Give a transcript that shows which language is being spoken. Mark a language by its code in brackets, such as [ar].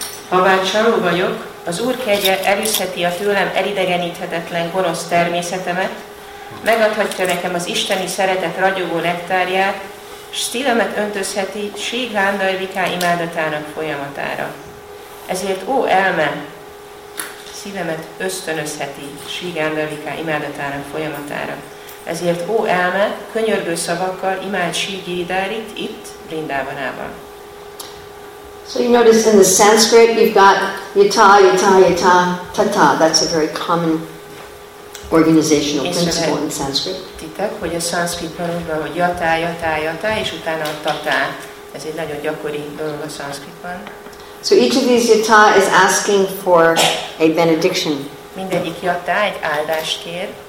[hu] Habár csaló vagyok, az Úr kegye elűzheti a tőlem elidegeníthetetlen gonosz természetemet, megadhatja nekem az isteni szeretet ragyogó nektárját, s szívemet öntözheti Sri Gandharvika imádatának folyamatára. Ezért ó elme, szívemet ösztönözheti Sri Gandharvika imádatának folyamatára. Ezért ó elme, könyörgő szavakkal imád Sri Giridharit itt, Vrindavanában. [en] So you notice in the Sanskrit you've got yata, yata, yata, tata. That's a very common organizational principle in Sanskrit. [hu] Titek, hogy a Sanskritban van, hogy yata, yata, yata, és utána a tata. Ez egy nagyon gyakori dolog a Sanskritban. [en] So each of these yata is asking for a benediction. [hu] Mindegyik yata egy áldást kér.